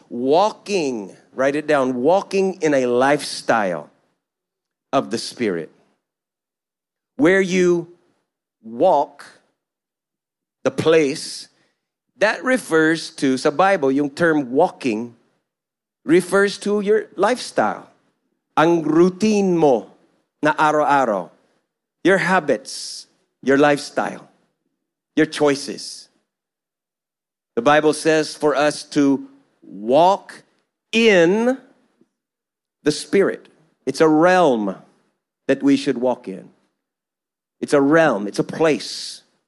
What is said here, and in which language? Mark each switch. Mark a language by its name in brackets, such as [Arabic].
[English] Walking, write it down, walking in a lifestyle of the Spirit. Where you walk, the place, that refers to, [Filipino] sa Bible, yung [English] term walking refers to your lifestyle. [Filipino] Ang routine mo na araw-araw. [English] Your habits, your lifestyle, your choices. The Bible says for us to walk in the Spirit. It's a realm that we should walk in. It's a realm, it's a place.